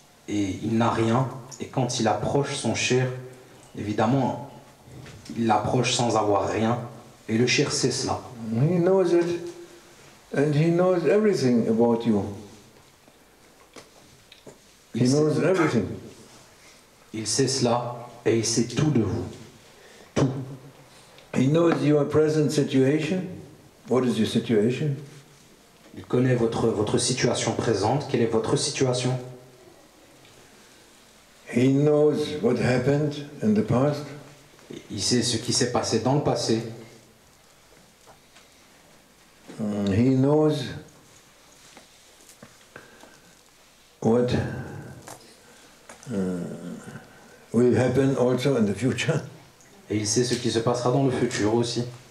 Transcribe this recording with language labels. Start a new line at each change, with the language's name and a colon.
French: Et il n'a rien, et quand il approche son cheikh, évidemment, il l'approche sans avoir rien, Et le cheikh sait cela.
English: He knows it and he knows everything about you. He knows everything.
French: Il sait cela et il sait tout de vous. Tout.
English: He knows your present situation. What is your situation?
French: Il connaît votre situation présente. Quelle est votre situation?
English: He knows what happened in the past.
French: Il sait ce qui s'est passé dans le passé.
English: He knows what will happen also in the future.
French: Et il sait ce qui se passera dans le futur aussi.